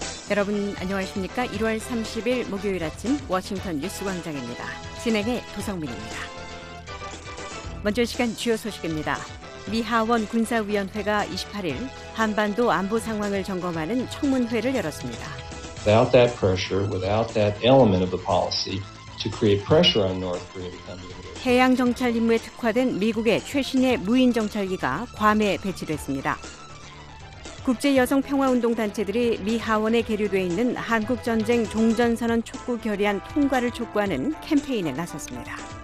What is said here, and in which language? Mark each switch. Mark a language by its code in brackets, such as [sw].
[ko] 여러분 안녕하십니까? 1월 30일 목요일 아침 워싱턴 뉴스 광장입니다. 진행의 도성민입니다. 먼저 시간 주요 소식입니다. 미 하원 군사위원회가 28일 한반도 안보 상황을 점검하는 청문회를 열었습니다. [en] Without that pressure, without that element of the policy to create pressure on North Korea. [ko] 해양 정찰 임무에 특화된 미국의 최신의 무인 정찰기가 괌에 배치됐습니다. 국제 여성 평화 운동 단체들이 미 하원에 계류돼 있는 한국 전쟁 종전 선언 촉구 결의안 통과를 촉구하는 캠페인에 나섰습니다.